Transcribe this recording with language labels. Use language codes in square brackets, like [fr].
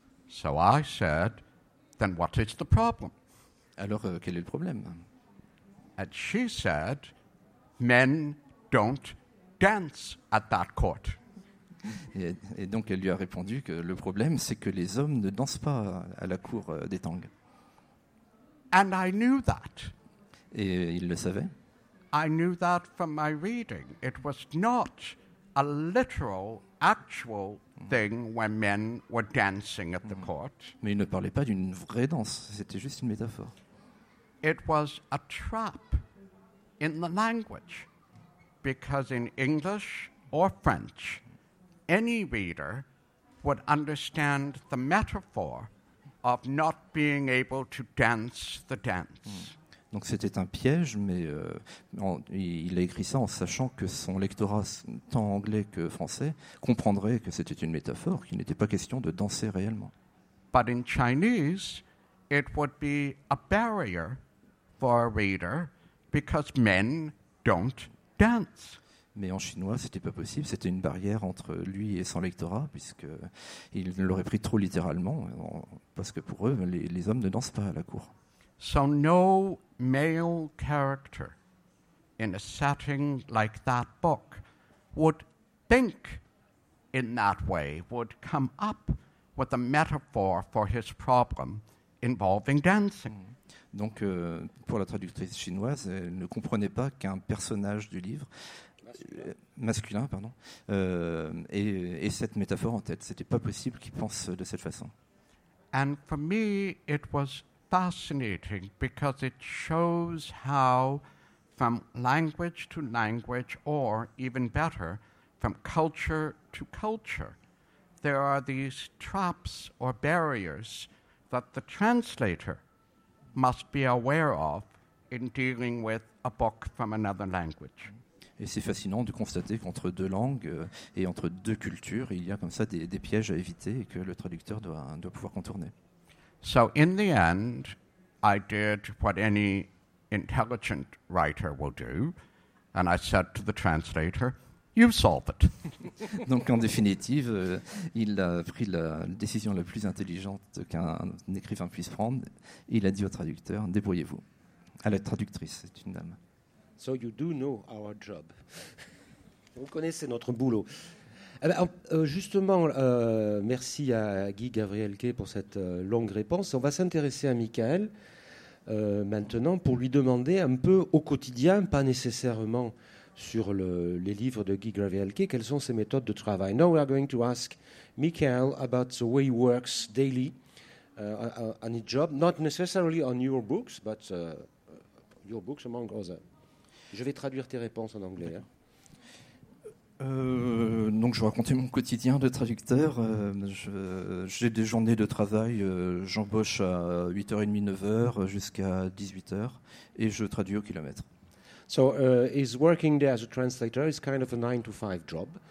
[en] So I said, then what is the problem? [fr] Alors, quel est le problème? [en] And she said, men don't dance at that court. [fr] Et donc elle lui a répondu que le problème c'est que les hommes ne dansent pas à la cour des Tang. [en] And I knew that. [fr] Et il le savait. [en] I knew that from my reading. It was not a literal, actual thing when men were dancing at the court. [fr] Mais il ne parlait pas d'une vraie danse, c'était juste une métaphore. [en] It was a trap in the language, because in English or French, any reader would understand the metaphor of not being able to dance the dance. [fr] Donc c'était un piège, mais il a écrit ça en sachant que son lectorat, tant anglais que français, comprendrait que c'était une métaphore, qu'il n'était pas question de danser réellement. [en] But in Chinese, it would be a barrier for a reader because men don't dance. [fr] Mais en chinois, c'était pas possible. C'était une barrière entre lui et son lectorat, puisque il l'aurait pris trop littéralement, parce que pour eux, les hommes ne dansent pas à la cour. [en] So no male character in a setting like that book would think in that way, would come up with a metaphor for his problem involving dancing. [fr] Donc, pour la traductrice chinoise, elle ne comprenait pas qu'un personnage du livre masculin, et cette métaphore en tête. C'était pas possible qu'il pense de cette façon. [en] And for me, it was fascinating because it shows how from language to language, or even better, from culture to culture, there are these traps or barriers that the translator must be aware of in dealing with a book from another language. [fr] Et c'est fascinant de constater qu'entre deux langues et entre deux cultures, il y a comme ça des pièges à éviter et que le traducteur doit pouvoir contourner. [en] So in the end, I did what any intelligent writer will do, and I said to the translator, "You solve it." [fr] Donc en définitive, il a pris la décision la plus intelligente qu'un écrivain puisse prendre. Il a dit au traducteur, débrouillez-vous. À la traductrice, c'est une dame. [en] So you do know our job. [fr] Vous connaissez notre boulot. Merci à Guy Gavriel-Kay pour cette longue réponse. On va s'intéresser à Michael maintenant pour lui demander un peu au quotidien, pas nécessairement sur les livres de Guy Gavriel-Kay, quelles sont ses méthodes de travail. [en] Now we are going to ask Michael about the way he works daily on his job, not necessarily on your books, but your books among others. [fr] Je vais traduire tes réponses en anglais. Hein. Donc je vais raconter mon quotidien de traducteur. J'ai des journées de travail, j'embauche à 8h30, 9h jusqu'à 18h et je traduis au kilomètre. [en] So he's working there as a translator, it's kind of a 9 to 5 job.